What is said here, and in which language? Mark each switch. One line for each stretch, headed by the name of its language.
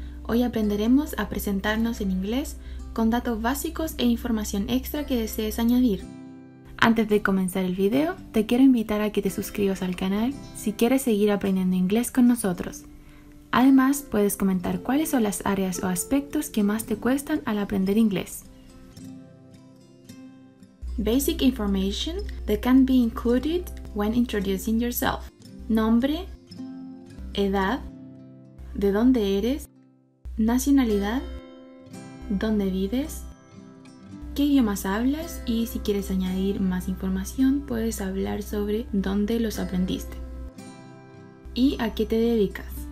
Spanish: Hoy aprenderemos a presentarnos en inglés con datos básicos e información extra que desees añadir. Antes de comenzar el video, te quiero invitar a que te suscribas al canal si quieres seguir aprendiendo inglés con nosotros. Además, puedes comentar cuáles son las áreas o aspectos que más te cuestan al aprender inglés.
English: Basic information that can be included when introducing yourself.
Spanish: Nombre, edad, de dónde eres, nacionalidad, dónde vives, qué idiomas hablas y si quieres añadir más información puedes hablar sobre dónde los aprendiste y a qué te dedicas.